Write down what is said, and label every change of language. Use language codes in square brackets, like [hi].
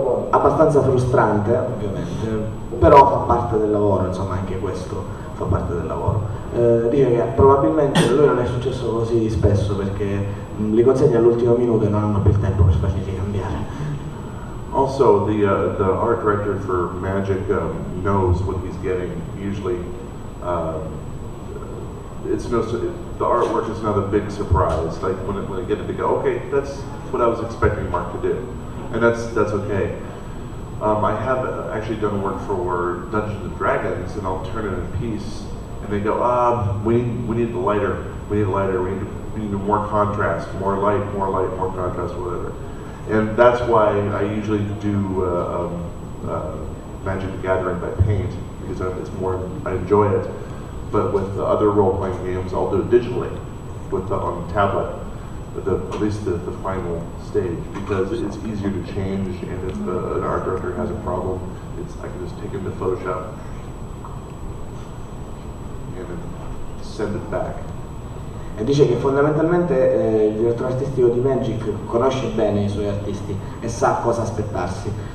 [it] Abbastanza frustrante, ovviamente, però fa parte del lavoro, insomma anche questo fa parte del lavoro. Dice che probabilmente a lui non è successo così spesso perché li consegna all'ultimo minuto e non hanno più il tempo per farli cambiare. [en] Also, the art director for Magic knows what he's getting. Usually, the artwork is not a big surprise. Like when I get it, they go, okay, that's what I was expecting Mark to do, and that's okay. I have actually done work for Dungeons and Dragons, and I'll turn it in a piece, and they go, we need lighter, we need more contrast, more light, more contrast, whatever. And that's why I usually do Magic the Gathering by paint, because I enjoy it. But with the other role-playing games, I'll do it digitally, on the tablet. at least the final stage, because it's easier to change, and if an art director has a problem, I can just take it to Photoshop and send it back. [it] E dice che fondamentalmente il direttore artistico di Magic conosce bene i suoi artisti e sa cosa aspettarsi.